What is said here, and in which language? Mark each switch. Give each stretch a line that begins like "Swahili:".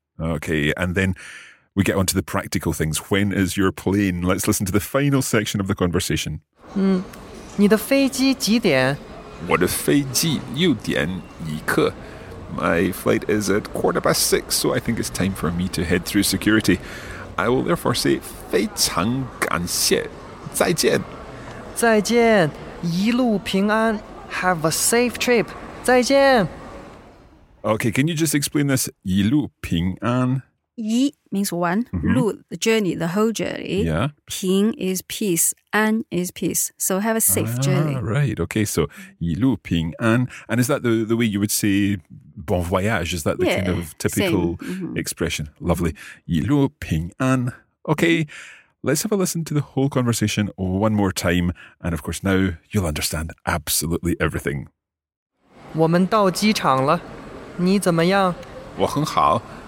English: Okay, and then we get on to the practical things. When is your plane? Let's listen to the final section of the conversation.
Chinese: 你的飞机几点? 我的飞机6点一刻.
English: My flight is at 6:15, so I think it's time for me to head through security. I will therefore say
Chinese: 非常感谢,再见。再见,一路平安,
English: have a safe trip, 再见! Okay, can you just explain this?
Chinese: 一路平安?
English: 一 means one, 路, the journey, the whole journey. Yeah. 平 is peace, 安 is peace. So have a safe journey. Right, okay, so 一路平安. And is that the way you would say bon voyage? Is that the kind of typical expression? Lovely.
Chinese: 一路平安.
English: Okay, let's have a listen to the whole conversation one more time. And of course, now you'll understand absolutely everything.
Chinese: 我们到机场了,你怎么样?我很好。